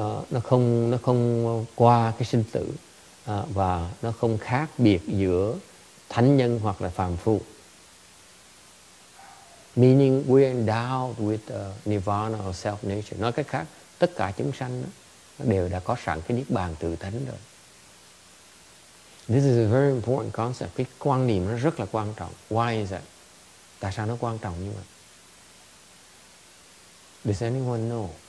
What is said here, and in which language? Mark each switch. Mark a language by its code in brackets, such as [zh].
[vi] Nó không qua cái sinh tử, và nó không khác biệt giữa thánh nhân hoặc là phàm phu. [en] Meaning we're endowed with nirvana or self nature. [vi] Nói cách khác, tất cả chúng sanh nó đều đã có sẵn cái niết bàn tự tánh rồi. [en] This is a very important concept. [vi] Cái quan niệm nó rất là quan trọng. [en] Why is that? [vi] Tại sao nó quan trọng như vậy? [en] Does anyone know?